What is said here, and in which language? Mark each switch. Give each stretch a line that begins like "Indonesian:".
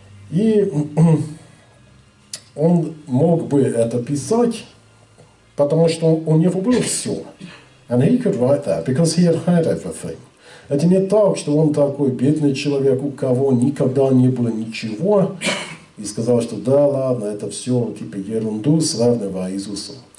Russian: И он мог бы это писать, потому что у него было все.
English: And he could write that, because he had had everything.
Russian: Это не так, что он такой бедный человек, у кого никогда не было ничего, и сказал, что да, ладно, это все, типа, ерунду, сравнивая Иисуса.